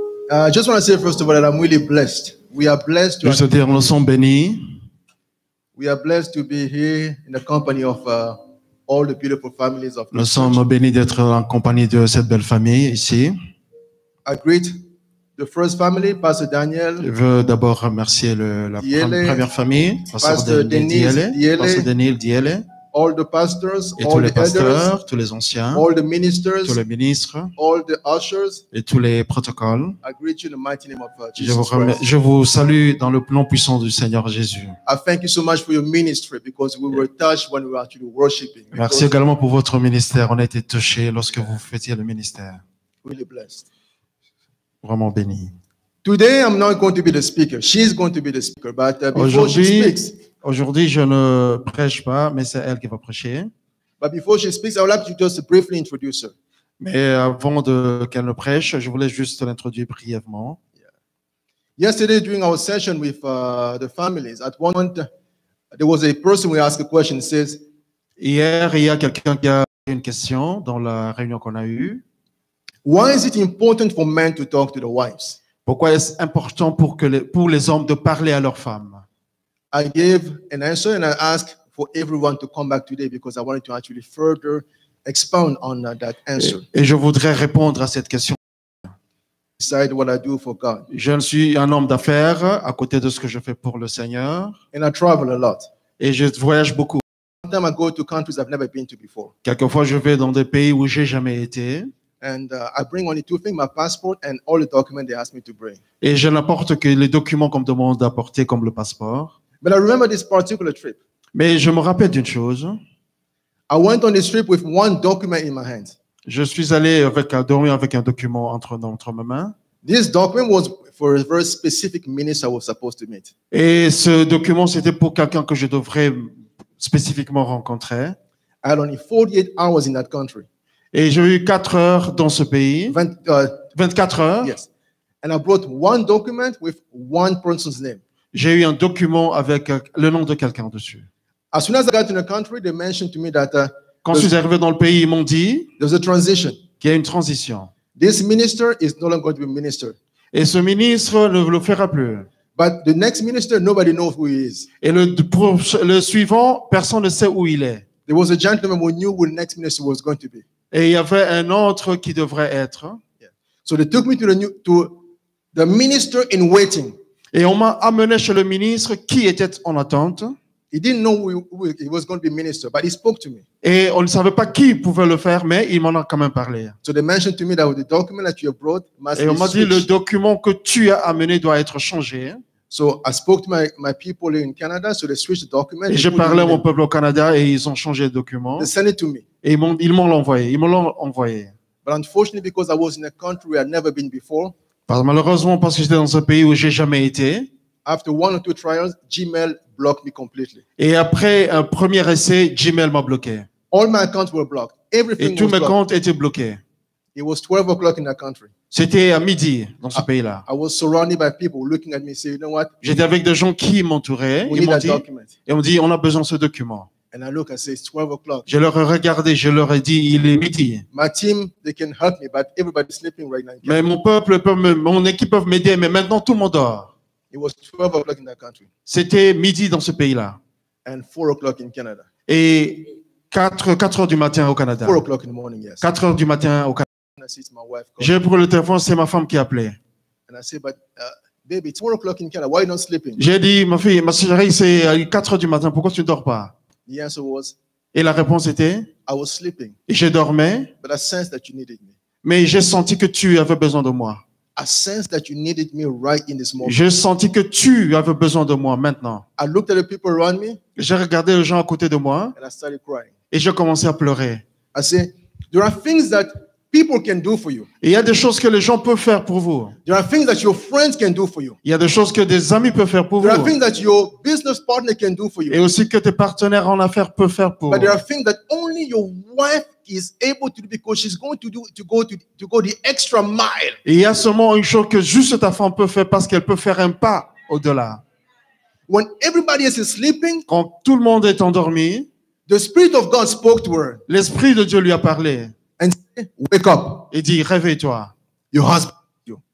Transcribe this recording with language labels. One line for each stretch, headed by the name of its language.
English: I just want to say first of all that I'm really blessed. We are blessed to
French: Je veux dire, nous sommes bénis.
English: We are blessed to be here in the company of all the beautiful families of
French: Nous sommes bénis d'être en compagnie de cette belle famille ici.
English: I greet the first family, Pastor Daniel.
French: Je veux d'abord remercier la première famille, Pastor Daniel Diele.
English: All the pastors,
French: et
English: all
French: tous
English: the
French: les pasteurs,
English: elders,
French: tous les anciens,
English: all the ministers,
French: tous les ministres,
English: all the ushers,
French: et tous les protocoles.
English: I greet you in the mighty name of Jesus.
French: Je vous salue dans le nom puissant du Seigneur Jésus.
English: I thank you so much for your ministry because we were touched when we were actually worshiping.
French: Merci également pour votre ministère. On a été touché lorsque vous fêtiez le ministère.
English: Really blessed.
French: Vraiment béni.
English: Today I'm not going to be the speaker. She's going to be the speaker, but before she speaks.
French: Aujourd'hui, je ne prêche pas, mais c'est elle qui va prêcher.
English: But before she speaks, I would like to just briefly introduce her.
French: Mais avant qu'elle ne prêche, je voulais juste l'introduire brièvement.
English: Yeah. Yesterday, during our session with the families, at one point, there was a person who asked a question. It says,
French: Hier, il y a quelqu'un qui a posé une question dans la réunion qu'on a eue.
English: Why is it important for men to talk to their wives?
French: Pourquoi est-ce important pour les hommes de parler à leurs femmes?
English: I gave an answer and I asked for everyone to come back today because I wanted to actually further expound on that answer.
French: Et je voudrais répondre à cette question.
English: Beside what I do for God.
French: Je suis un homme d'affaires à côté de ce que je fais pour le Seigneur.
English: And I travel a lot.
French: Et je voyage beaucoup.
English: Sometimes I go to countries I've never been to before.
French: Quelquefois je vais dans des pays où j'ai jamais été.
English: And I bring only two things, my passport and all the documents they asked me to bring.
French: Et je n'apporte que les documents qu'on me demande d'apporter comme le passeport.
English: But I remember this particular trip.
French: Mais je me rappelle d'une chose.
English: I went on the street with one document in my hand.
French: Je suis allé avec, dormir avec un document entre mes mains.
English: This document was for a very specific minister I was supposed to meet.
French: Et ce document, c'était pour quelqu'un que je devrais spécifiquement rencontrer.
English: I had only 48 hours in that country.
French: Et j'ai eu 4 heures dans ce pays. 24 heures.
English: Yes. And I brought one document with one person's name.
French: J'ai eu un document avec le nom de quelqu'un dessus.
English: As soon as I got in the country, they mentioned to me that
French: quand je suis arrivé dans le pays, ils m'ont dit
English: there's a transition.
French: Qu'il y a une transition.
English: This minister is no longer going to be minister.
French: Et ce ministre ne le fera plus.
English: But the next minister, nobody knows who he is.
French: Et le suivant, personne ne sait où il est.
English: There was a gentleman who knew who the next minister was going to be.
French: Et il y avait un autre qui devrait être.
English: Yeah. So they took me to the minister in waiting.
French: Et on m'a amené chez le ministre qui était en attente.
English: He didn't know who he was going to be minister, but he spoke to me.
French: Et on ne savait pas qui pouvait le faire, mais il m'en a quand même parlé.
English: So they mentioned to me that the document that you have brought must be switched.
French: Et on m'a dit le document que tu as amené doit être changé.
English: So I spoke to my people in Canada, so they switched the document.
French: Et je parlais à mon peuple au Canada et ils ont changé le document.
English: They sent it to me.
French: Et ils m'ont l'envoyé.
English: But unfortunately, because I was in a country where I'd never been before.
French: Malheureusement, parce que j'étais dans un pays où j'ai jamais été.
English: After one or two trials, Gmail blocked me completely.
French: Et après un premier essai, Gmail m'a bloqué.
English: All my accounts were blocked. Everything
French: et tous
English: was
French: mes
English: blocked.
French: Comptes étaient bloqués.
English: It was 12 o'clock in that country.
French: C'était à midi dans ce pays-là.
English: I was surrounded by people looking at me, saying, "You know what?"
French: J'étais avec des gens qui m'entouraient.
English: We need that document.
French: Et on dit, on a besoin de ce document.
English: And I look, I say, it's 12 o'clock.
French: Je leur ai regardé, je leur ai dit, il est midi.
English: My team, they can help me, but everybody's sleeping right now.
French: Mais mon peuple peut mon équipe peut m'aider, mais maintenant tout le monde dort.
English: It was 12 o'clock in that country.
French: C'était midi dans ce pays-là.
English: And 4 o'clock in Canada.
French: Et 4 heures du matin au Canada.
English: 4 o'clock in the morning, yes.
French: 4 heures du matin au Canada.
English: I see it's my wife
French: calling. J'ai pris le téléphone, c'est ma femme qui appelait.
English: And I said, but baby, it's 4 o'clock in Canada. Why are you not sleeping?
French: J'ai dit, ma fille, ma chérie, c'est 4 heures du matin. Pourquoi tu ne dors pas?
English: The answer was,
French: et la réponse était,
English: I was sleeping.
French: Et je dormais.
English: But I sensed that you needed me.
French: Mais j'ai senti que tu avais besoin de moi.
English: I sensed that you needed me right in this moment.
French: J'ai senti que tu avais besoin de moi maintenant.
English: I looked at the people around me.
French: J'ai regardé les gens à côté de moi.
English: And I started crying.
French: Et j'ai commencé à pleurer.
English: I said, there are things that people can do for you.
French: Il y a des choses que les gens peuvent faire pour vous.
English: There are things that your friends can do for you.
French: Il y a des choses que des amis peuvent faire pour
English: there
French: vous.
English: There are things that your business partner can do for you.
French: Et aussi que tes partenaires en affaires peuvent faire pour
English: but
French: vous.
English: But there are things that only your wife is able to do because she's going to do to go the extra mile.
French: Et il y a seulement une chose que juste ta femme peut faire parce qu'elle peut faire un pas au-delà.
English: When everybody else is sleeping,
French: quand tout le monde est endormi,
English: the Spirit of God spoke to her.
French: L'Esprit de Dieu lui a parlé.
English: And say, wake up.
French: Et dit, réveille-toi.
English: Your husband needs you.